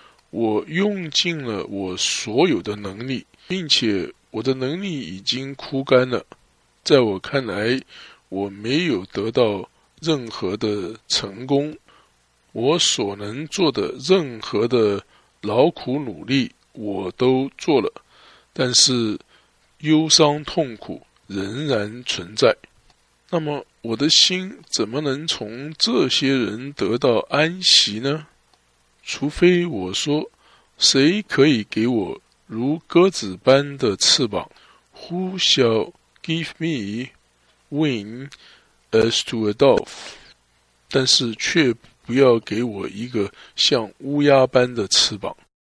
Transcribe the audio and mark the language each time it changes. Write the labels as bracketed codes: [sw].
[zh] 我用尽了我所有的能力，并且我的能力已经枯干了，在我看来，我没有得到任何的成功，我所能做的任何的劳苦努力我都做了，但是忧伤痛苦仍然存在。那么我的心怎么能从这些人得到安息呢？除非我说，谁可以给我如鸽子般的翅膀？ [en] Who shall give me wing as to a dove? [zh] 但是却不要给我一个像乌鸦般的翅膀。